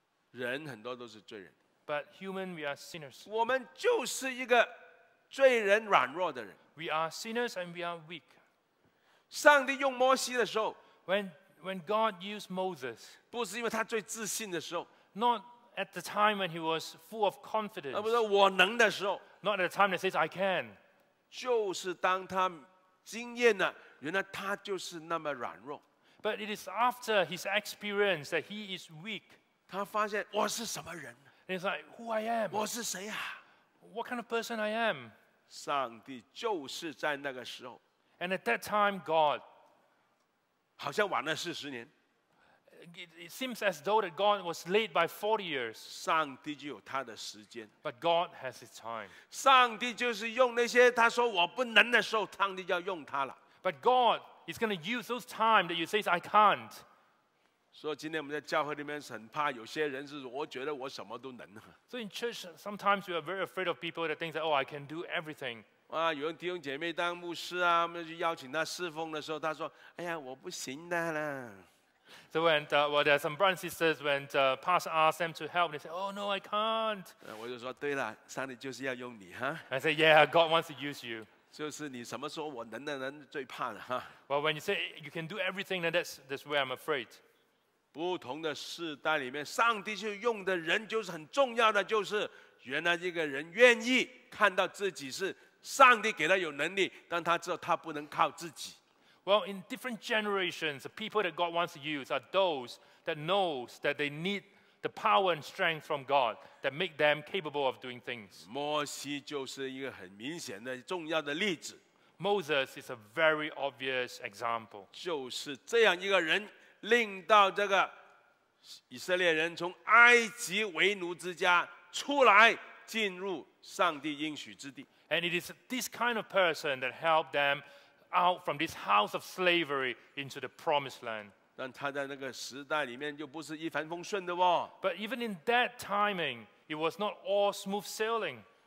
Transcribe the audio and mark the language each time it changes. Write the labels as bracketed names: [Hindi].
[Chinese] 人很多都是罪人。 [English] But human, we are sinners. [Chinese] 我们就是一个罪人软弱的人。 [English] We are sinners and we are weak. [Chinese] 上帝用摩西的时候 [English] when God used Moses, [Chinese] 不是因为他最自信的时候 [English] not at the time when he was full of confidence, [Chinese] 而不是我能的时候 [English] not at the time that says I can, [Chinese] 就是当他经验了，原来他就是那么软弱。 [English] But it is after his experience that he is weak. [Chinese] 他发现我是什么人。 [English] It's like, who I am? [Chinese] 我是谁啊? [English] What kind of person I am? [Chinese] 上帝就是在那个时候。 [English] And at that time, God, [Chinese] 好像晚了四十年。 [English] It seems as though that God was late by 40 years. [Chinese] 上帝就有他的时间。 [English] But God has his time. [Chinese] 上帝就是用那些他说我不能的时候，上帝就要用他了。 [English] But God is going to use those times that you say I can't. [Chinese] 所以今天我们在教会里面很怕有些人是我觉得我什么都能。 [English] So in church, sometimes we are very afraid of people that think that, oh, I can do everything. [Chinese] 啊，有人弟兄姐妹当牧师啊，我们就邀请他侍奉的时候，他说，哎呀，我不行的啦。 [English] So when, well, there are some brothers and sisters, when the pastor asked them to help, they said, oh, no, I can't. [Chinese] 我就说，对了，上帝就是要用你哈。 [English] I said, yeah, God wants to use you. [Chinese] 就是你什么时候我能的人最怕的哈。 [English] Well, when you say you can do everything, then that's where I'm afraid. [Chinese] 不同的世代里面，上帝就用的人就是很重要的，就是原来这个人愿意看到自己是上帝给他有能力，但他知道他不能靠自己。 [English] Well, in different generations, the people that God wants to use are those that knows that they need the power and strength from God that make them capable of doing things. [Chinese] 摩西就是一个很明显的重要的例子。 [English] Moses is a very obvious example. [Chinese] 就是这样一个人。令到这个以色列人从埃及为奴之家出来，进入上帝应许之地。 [English] And it is this kind of person that helped them out from this house of slavery into the promised land. [Chinese] 但他在那个时代里面就不是一帆风顺的哦。 [English] But even in that timing, it was not all smooth sailing.